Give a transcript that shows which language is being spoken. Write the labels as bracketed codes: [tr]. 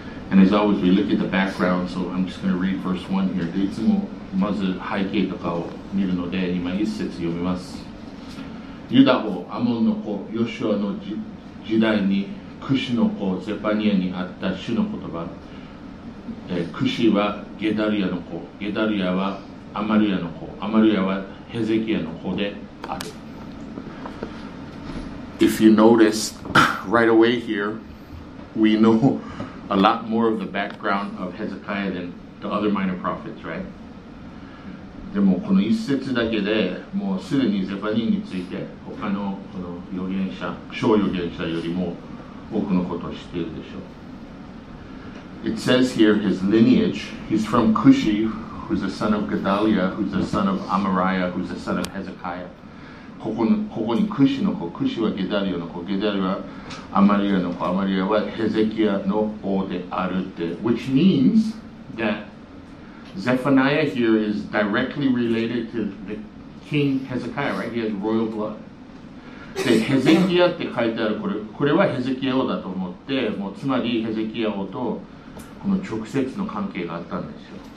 [en] And as always, we look at the background, so I'm just going to read verse 1 here. [ja] でいつもまず背景とかを見るので、今一節読みます。ユダ王、アモンの子、ヨシュアの時代に、クシの子、ゼパニアにあった主の言葉。クシはゲダリアの子、ゲダリアはアマリアの子、アマリアはヘゼキヤの子である。 [en] If you notice right away here, we know a lot more of the background of Hezekiah than the other minor prophets, right? [ja] でもこの一節だけでもうすでにゼファニーについて他のこの預言者、小預言者よりも多くのことを知っているでしょう。 [en] It says here his lineage, he's from Cushi, who's the son of Gedaliah, who's the son of Amariah, who's the son of Hezekiah. [ja] ここにクシの子、クシはゲダリアの子、ゲダリアはアマリアの子、アマリアはヘゼキヤの子であるって、 [en] which means thatZephaniah here is directly related to the King Hezekiah, right? He has royal blood. [ja] で、ヘゼキヤって書いてあるこれはヘゼキヤ王だと思って、もうつまりヘゼキヤ王とこの直接の関係があったんですよ。